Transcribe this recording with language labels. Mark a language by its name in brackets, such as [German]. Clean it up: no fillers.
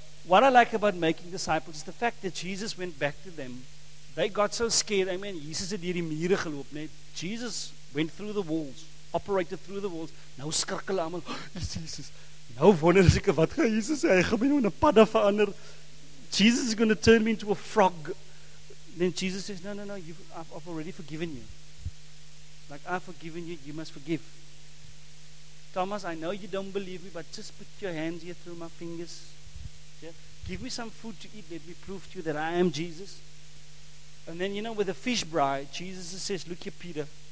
[English] What I like about making disciples is the fact that Jesus went back to them. They got so scared. I mean, [Afrikaans] Jesus het hierdie mure geloop, net. [English] Jesus went through the walls. Operated through the walls. [Afrikaans] Nou skrikkel almal. [English] Jesus. [Afrikaans] Nou wonder ek wat gaan Jesus sê? Hy gaan my nou in 'n padda verander. [English] Jesus is going to turn me into a frog. Then Jesus says, no, no, no, I've already forgiven you. Like I've forgiven you, you must forgive. Thomas, I know you don't believe me, but just put your hands here through my fingers. Yeah? Give me some food to eat. Let me prove to you that I am Jesus. And then, you know, with the fish bride, Jesus says, look here, Peter.